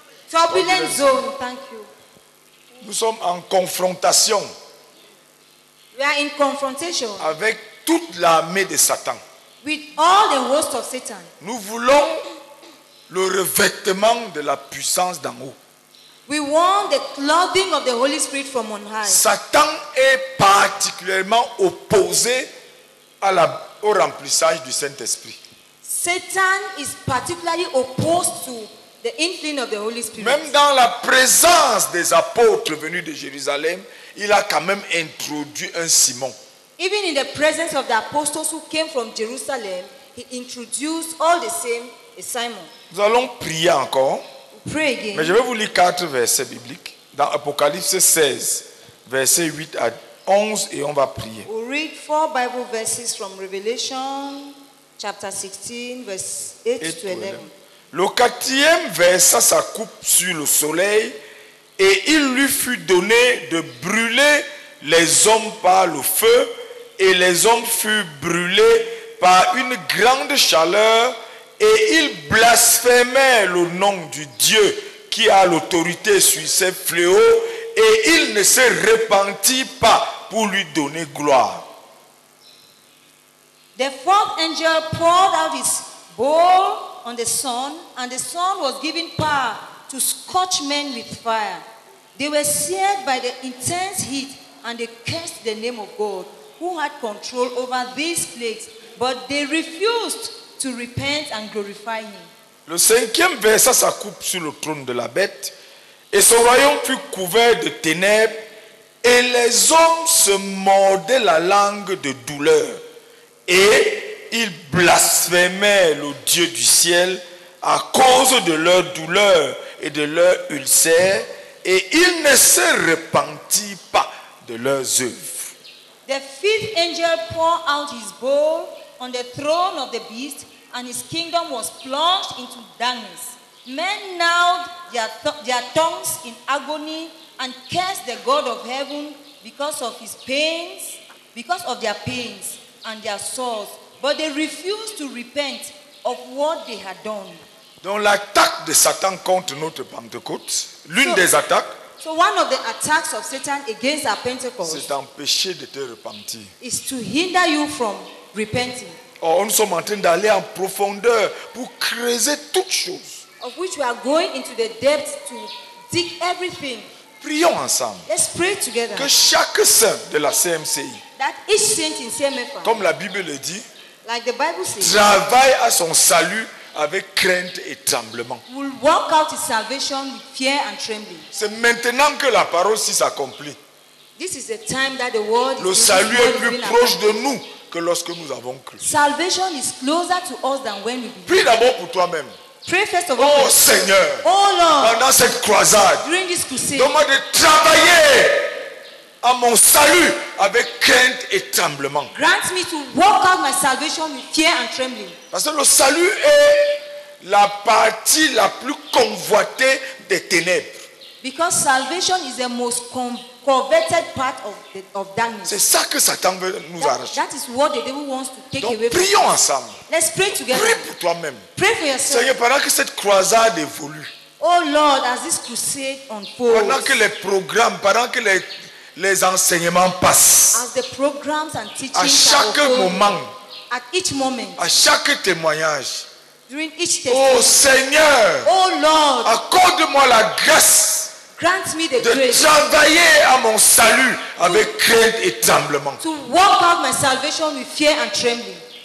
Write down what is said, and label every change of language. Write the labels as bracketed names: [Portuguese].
[English] Turbulent zone, thank you. [French] Nous sommes en confrontation. [English] We are in confrontation. [French] Avec toute l'armée de Satan. [English] With all the host of Satan. [French] Nous voulons le revêtement de la puissance d'en haut. [English] We want the clothing of the Holy Spirit from on high. [French] Satan est particulièrement opposé au remplissage du Saint-Esprit. [English] Satan is particularly opposed to The infilling of the Holy Spirit. [French] Même dans la présence des apôtres venus de Jérusalem, il a quand même introduit un Simon. [English] Even in the presence of the apostles who came from Jerusalem, he introduced all the same a Simon. [French] Nous allons prier encore. [English] Pray again. [French] Mais je vais vous lire quatre versets bibliques dans Apocalypse 16, versets 8 à 11, et on va prier. [English] We'll read four Bible verses from Revelation chapter 16, verse 8 to 11. [French] Le quatrième versa sa coupe sur le soleil et il lui fut donné de brûler les hommes par le feu et les hommes furent brûlés par une grande chaleur et ils blasphémaient le nom du Dieu qui a l'autorité sur ces fléaux et il ne se repentit pas pour lui donner gloire. [English] The fourth angel poured out his bowl on the sun, and the sun was given power to scorch men with fire. They were seared by the intense heat, and they cursed the name of God, who had control over these plagues, but they refused to repent and glorify him. [French] Le cinquième versa sa coupe sur le trône de la bête, et son royaume fut couvert de ténèbres, et les hommes se mordaient la langue de douleur, et ils blasphémaient le Dieu du ciel à cause de leur douleur et de leur ulcère, et ils ne se repentirent pas de leurs œuvres. [English] The fifth angel poured out his bowl on the throne of the beast, and his kingdom was plunged into darkness. Men gnawed their tongues in agony and cursed the God of heaven because of their pains and their sores. But they refused to repent of what they had done. [French] Donc l'attaque de Satan contre notre Pentecôte, l'une des attaques. [English] So one of the attacks of Satan against our Pentecost. [French] C'est d'empêcher de te repentir. [English] Is to hinder you from repenting. [French] Or nous sommes en train d'aller en profondeur pour creuser toutes choses. [English] Of which we are going into the depth to dig everything. [French] Prions ensemble. [English] Let's pray together. [French] Que chaque saint de la CMCI. [English] That each saint in CMF. [French] Comme la Bible le dit. [English] Like the Bible says, [French] travaille à son salut avec crainte et tremblement. [English] Will work out his salvation with fear and trembling. [French] C'est maintenant que la parole s'y s'accomplit. [English] This is the time that the word. [French] Le salut est plus proche de nous que lorsque nous avons cru. [English] Salvation is closer to us than when we believe. [French] Prie d'abord pour toi-même. [English] Pray first of all. [French] Oh Seigneur. [English] Oh Lord. [French] Pendant cette croisade. [English] During this crusade. [French] Demande de travailler à mon salut avec crainte et tremblement. [English] Grant me to walk out my salvation with fear and trembling. [French] Parce que le salut est la partie la plus convoitée des ténèbres. [English] Because salvation is the most coveted part of darkness. [French] C'est ça que Satan veut nous arracher. [English] That is what the devil wants to take [French] Donc, [English] away. [French] Prions ensemble. [English] Let's pray together. [French] Prie pour toi-même. [English] Pray for yourself. [French] Seigneur, pendant que cette croisade évolue. [English] Oh Lord, as this crusade unfolds. [French] Pendant que les programmes, pendant que les enseignements passent. [English] As the programs and teachings [French] à chaque [English] are [French] moment. [English] At each moment. [French] À chaque témoignage. [English] During each testimony. [French] Oh Seigneur. [English] Oh Lord. [French] Accorde-moi la grâce. [English] Grant me the [French] de [English] grace. [French] Travailler à mon salut avec crainte et tremblement. [English] To work out my salvation with fear and trembling.